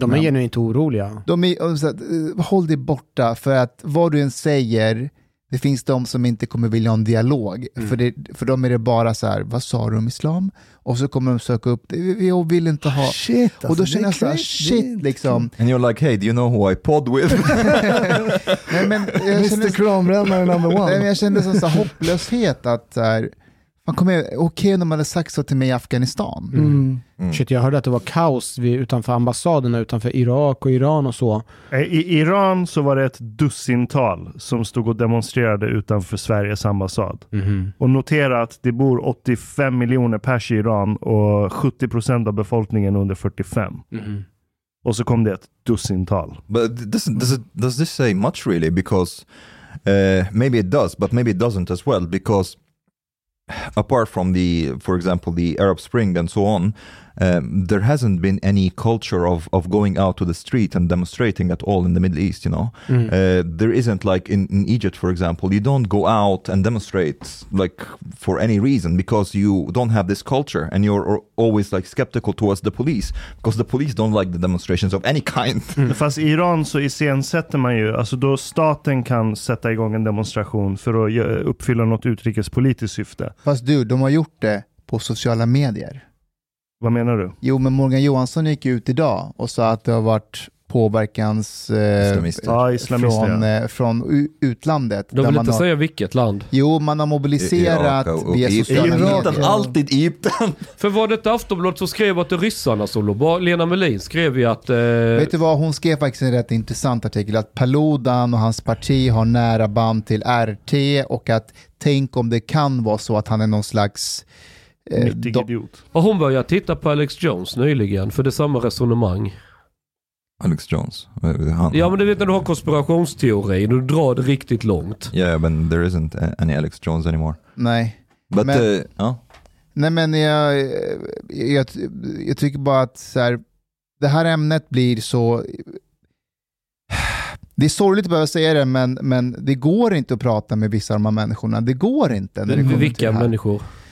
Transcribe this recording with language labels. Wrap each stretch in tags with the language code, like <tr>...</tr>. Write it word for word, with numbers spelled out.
<sv>De är genuint oroliga. De är, så här, håll dig borta, för att vad du än säger, Det finns de som inte kommer vilja ha en dialog. Mm. För, det, för dem är det bara så här, vad sa du om islam? Och så kommer de söka upp det. Jag vill inte ha... Shit, alltså, och då känner jag så här, shit liksom.</sv> <en>And you're like, hey, do you know who I pod with?</en> <sv>Nej, men jag kände, mister Kramrännare</sv> <en>number one.</en> <sv>Nej, men jag kände sån så här hopplöshet att så här, man kommer okej okay, när man hade sagt så till mig i Afghanistan. Mm. Mm. Shit, jag hörde att det var kaos vid, utanför ambassaderna, utanför Irak och Iran och så. I Iran så var det ett dussintal som stod och demonstrerade utanför Sveriges ambassad. Mm. Och notera att det bor åttiofem miljoner pers i Iran och sjuttio procent av befolkningen under fyrtiofem. Mm. Och så kom det ett dussintal.</sv> <en>But does, does, it, does this say much really? Because uh, maybe it does, but maybe it doesn't as well, because apart from the, for example, the Arab Spring and so on, um, there hasn't been any culture of, of going out to the street and demonstrating at all in the Middle East, you know. Mm. Uh, there isn't like in, in Egypt, for example, you don't go out and demonstrate like for any reason because you don't have this culture and you're always like skeptical towards the police because the police don't like the demonstrations of any kind. Mm.</en> <sv>Fast i Iran så iscensätter man ju, alltså då staten kan sätta igång en demonstration för att uppfylla något utrikespolitiskt syfte. Fast du, de har gjort det på sociala medier. Vad menar du? Jo, men Morgan Johansson gick ut idag och sa att det har varit påverkans eh, islamister. Ah, islamister, från, ja. eh, från utlandet. De vill inte har... säga vilket land. Jo, man har mobiliserat I, Irak, och, via sociala medier. Alltid Egypten. För var det Aftonbladet som skrev att det ryssarna som låg. Lena Melin skrev ju att... Eh... Vet du vad, hon skrev faktiskt en rätt intressant artikel. Att Paludan och hans parti har nära band till R T och att tänk om det kan vara så att han är någon slags... Eh, nyttig idiot. Och hon började titta på Alex Jones nyligen för det är samma resonemang. Alex Jones. Ja, men du vet när du har konspirationsteori och du drar det riktigt långt.</sv> <en>Ja, yeah, men there isn't any Alex Jones anymore.</en> <sv>Nej.</sv> <en>But,</en> <sv>men, uh, oh. Nej, men jag, jag, jag tycker bara att så här, det här ämnet blir så... Det är sorgligt att behöva säga det, men, men det går inte att prata med vissa av de här människorna. Det går inte. När det kommer vilka till det här. Människor?</sv>